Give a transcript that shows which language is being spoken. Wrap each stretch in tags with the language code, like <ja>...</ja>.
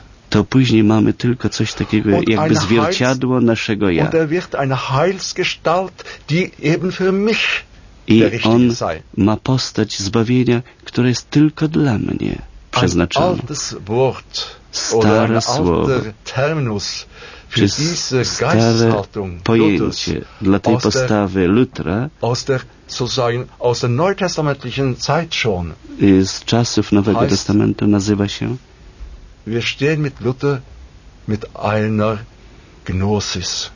<pl>to później mamy tylko coś takiego jakby zwierciadło naszego ja.</pl> <de>Oder wird eine Heilsgestalt, die eben für mich</de> <pl>i on ma postać zbawienia, która jest tylko dla mnie przeznaczona. Stare słowo,</pl> <de>terminus für diese Geisteshaltung,</de> <pl>pojęcie dla tej postawy Lutra,</pl> <de>aus der neutestamentlichen Zeit schon,</de> <pl>z czasów Nowego Testamentu nazywa się,</pl> <de>wir stehen mit Luther mit einer Gnosis.</de>